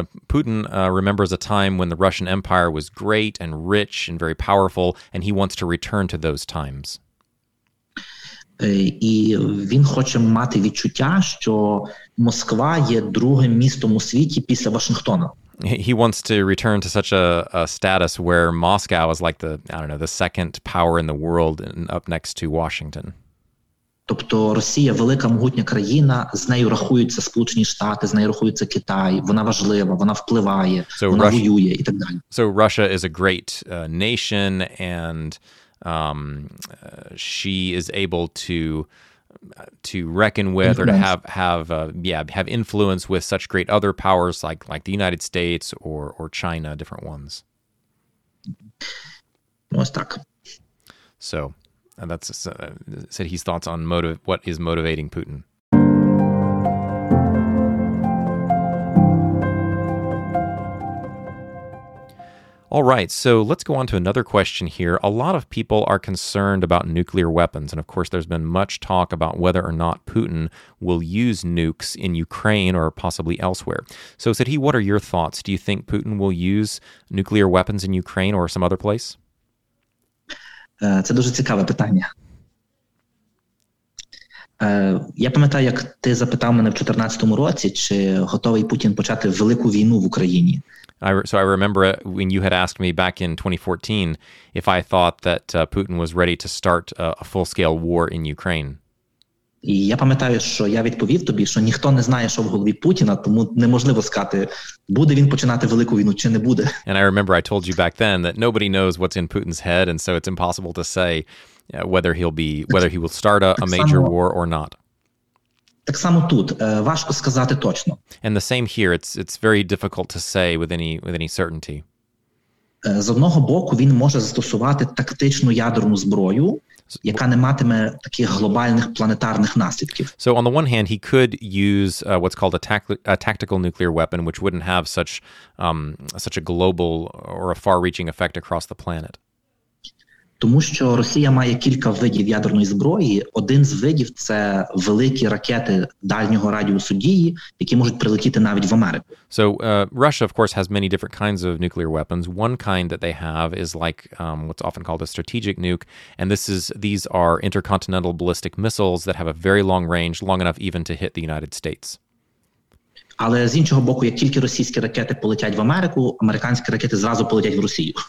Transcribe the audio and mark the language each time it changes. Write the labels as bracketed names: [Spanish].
[English] Putin remembers a time when the Russian Empire was great and rich and very powerful, and he wants to return to those times. [Ukrainian] І він хоче мати відчуття, що Москва є другим містом у світі після Вашингтона. [English] He wants to return to such a status where Moscow is like the, I don't know, the second power in the world and up next to Washington. [Ukrainian] Тобто Росія велика могутня країна, з нею рахуються Сполучені Штати, з нею рахується Китай, вона важлива, вона впливає, [English] so [Ukrainian] вона [English] Russia, [Ukrainian] воює і так далі. [English] So Russia is a great nation and she is able to reckon with or to have influence with such great other powers like the United States or China, different ones. [Ukrainian] Ось так. [English] So and that's said his thoughts on what is motivating Putin. All right, so let's go on to another question here. A lot of people are concerned about nuclear weapons, and of course there's been much talk about whether or not Putin will use nukes in Ukraine or possibly elsewhere. So said he, what are your thoughts? Do you think Putin will use nuclear weapons in Ukraine or some other place? [Ukrainian] Це дуже цікаве питання. Я пам'ятаю, як ти запитав мене в 2014 році, чи готовий Путін почати велику війну в Україні. [English] I remember when you had asked me back in 2014 if I thought that Putin was ready to start a full-scale war in Ukraine. [Ukrainian] І я пам'ятаю, що я відповів тобі, що ніхто не знає, що в голові Путіна, тому неможливо сказати, буде він починати велику війну чи не буде. [English] And I remember I told you back then that nobody knows what's in Putin's head, and so it's impossible to say whether he will start a major war or not. [Ukrainian] Так само тут, важко сказати точно. [English] And the same here, it's very difficult to say with any certainty. [Ukrainian] З одного боку, він може застосувати тактичну ядерну зброю, яка не матиме таких глобальних планетарних наслідків. [English] So on the one hand, he could use what's called a tactical nuclear weapon, which wouldn't have such a global or a far-reaching effect across the planet. [Ukrainian] Тому що Росія має кілька видів ядерної зброї. Один з видів – це великі ракети дальнього радіусу дії, які можуть прилетіти навіть в Америку. [English] So Russia, of course, has many different kinds of nuclear weapons. One kind that they have is like what's often called a strategic nuke. And these are intercontinental ballistic missiles that have a very long range, long enough even to hit the United States. [Ukrainian] Але з іншого боку, як тільки російські ракети полетять в Америку, американські ракети зразу полетять в Росію.